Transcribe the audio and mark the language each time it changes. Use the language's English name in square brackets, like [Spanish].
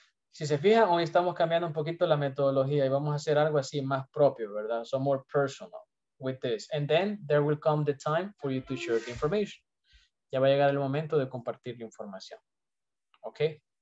[Spanish] Si se fijan, hoy estamos cambiando un poquito la metodología y vamos a hacer algo así más propio, ¿verdad? [English] So more personal with this. And then there will come the time for you to share the information. [Spanish] Ya va a llegar el momento de compartir la información, okay?